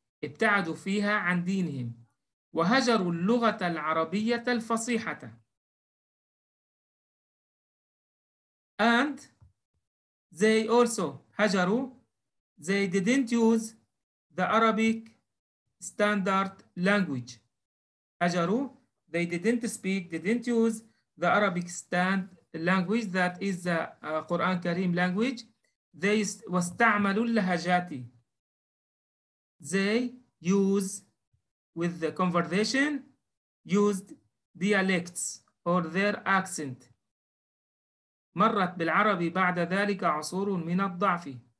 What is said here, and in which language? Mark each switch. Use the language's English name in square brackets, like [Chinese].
[Arabic] ابتعدوا فيها عن دينهم وهجروا اللغة العربية الفصيحة [English] and they also [Arabic] هجروا [English] they didn't use the Arabic standard language. هجروا. They didn't speak, they didn't use the Arabic stand language that is the Quran Kareem language. [Arabic] They واستعملوا اللهجاتي. [English] They use with the conversation used dialects or their accent. [Arabic] مرت بالعربي بعد ذلك عصور من الضعف.